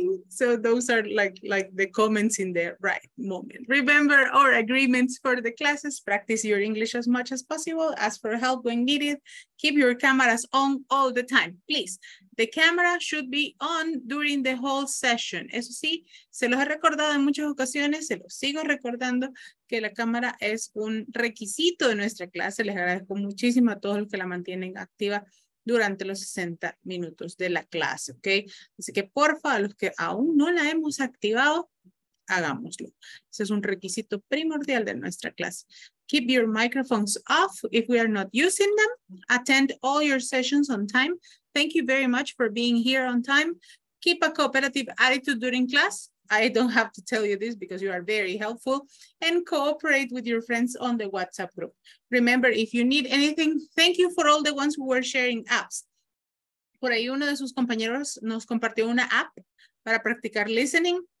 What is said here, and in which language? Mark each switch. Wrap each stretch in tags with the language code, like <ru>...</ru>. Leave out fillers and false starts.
<en>So those are like the comments in the right moment. Remember our agreements for the classes. Practice your English as much as possible. Ask for help when needed. Keep your cameras on all the time. Please, the camera should be on during the whole session.</en> <es>Eso sí, se los he recordado en muchas ocasiones, se los sigo recordando que la cámara es un requisito de nuestra clase. Les agradezco muchísimo a todos los que la mantienen activa durante los 60 minutos de la clase, ¿ok? Así que, por favor, los que aún no la hemos activado, hagámoslo. Ese es un requisito primordial de nuestra clase.</es> <en>Keep your microphones off if we are not using them. Attend all your sessions on time. Thank you very much for being here on time. Keep a cooperative attitude during class. I don't have to tell you this because you are very helpful. And cooperate with your friends on the WhatsApp group. Remember, if you need anything, thank you for all the ones who were sharing apps.</en> <es>Por ahí uno de sus compañeros nos compartió una app para practicar listening.</es>